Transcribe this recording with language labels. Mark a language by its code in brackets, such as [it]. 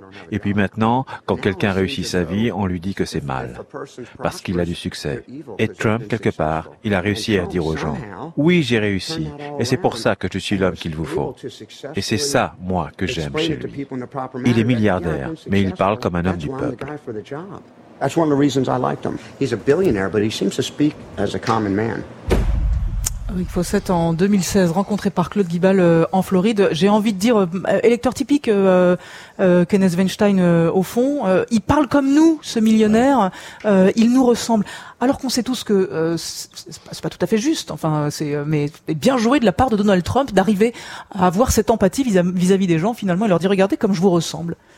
[fr] Et puis maintenant, quand quelqu'un réussit sa vie, on lui dit que c'est mal, parce qu'il a du succès. Et Trump, quelque part, il a réussi à dire aux gens, « Oui, j'ai réussi, et c'est pour ça que je suis l'homme qu'il vous faut. » Et c'est ça, moi, que j'aime chez lui. Il est milliardaire, mais il parle comme un homme du peuple. [en] That's one of the reasons I liked him. He's a billionaire, but he seems to speak as a common man. [fr] Eric Fossett, en 2016, rencontré par Claude Guibal en Floride. J'ai envie de dire, électeur typique, Kenneth Weinstein, au fond, il parle comme nous, ce millionnaire, il nous ressemble. Alors qu'on sait tous que c'est pas tout à fait juste, enfin, mais bien joué de la part de Donald Trump d'arriver à avoir cette empathie vis-à-vis des gens, finalement, et leur dire, regardez comme je vous ressemble.